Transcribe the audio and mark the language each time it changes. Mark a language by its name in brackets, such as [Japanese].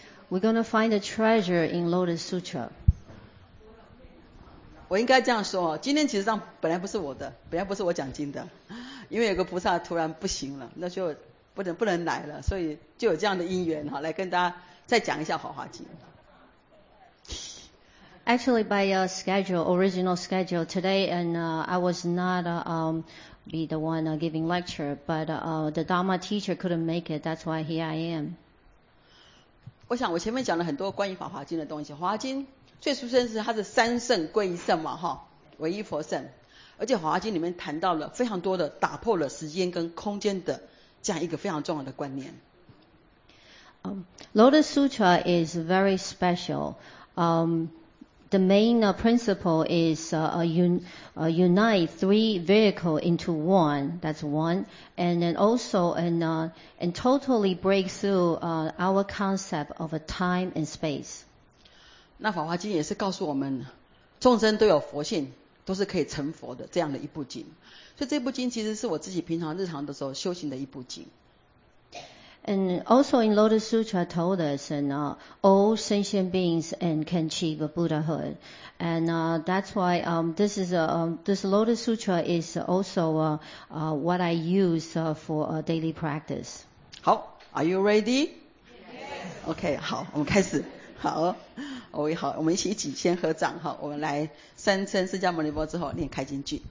[English] We're going to find a treasure in Lotus Sutra. [Chinese] 我应该这样说，今天其实上本来不是我的，本来不是我讲经的，因为有个菩萨突然不行了，那就不能来了，所以就有这样的因缘哈，来跟大家再讲一下法华经。 [English] Actually, by original schedule today, and I was not be the one giving lecture, but the Dharma teacher couldn't make it. That's why here I am. [Chinese] 我想我前面讲了很多关于《法华经》的东西。《法华经》最殊胜是它是三圣归一圣嘛，哈，唯一佛圣。而且《法华经》里面谈到了非常多的打破了时间跟空间的这样一个非常重要的观念。 [English] Lotus Sutra is very special. The main principle is unite three vehicles into one. That's one. And then also, and totally break through our concept of a time and space. [Chinese] 那法华经也是告诉我们，众生都有佛性，都是可以成佛的这样的一部经。所以这部经其实是我自己平常日常的时候修行的一部经。 [English] And also in Lotus Sutra told us, and all sentient beings and can achieve a Buddhahood. And that's why this is this Lotus Sutra is also what I use for daily practice. [Chinese] 好 [English] ,are you ready? Yes. Okay, [Chinese] 好我们开始。好哦好我们一起一起先合掌好我们来三称释迦牟尼佛之后念开经句。